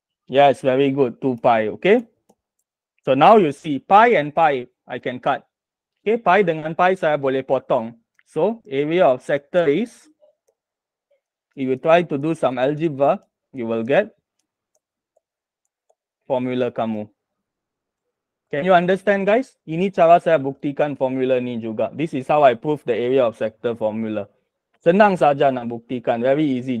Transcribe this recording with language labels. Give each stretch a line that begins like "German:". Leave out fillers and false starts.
English: Yes, very good. 2 pi, okay? So now you see, pi and pi, I can cut.
Malay: Okay, pi dengan pi saya boleh potong.
English: So, area of sector is, if you try to do some algebra, you will get formula kamu. Can you understand, guys?
Malay: Ini cara saya buktikan formula ni juga.
English: This is how I prove the area of sector formula.
Malay: Senang saja nak buktikan.
English: Very easy.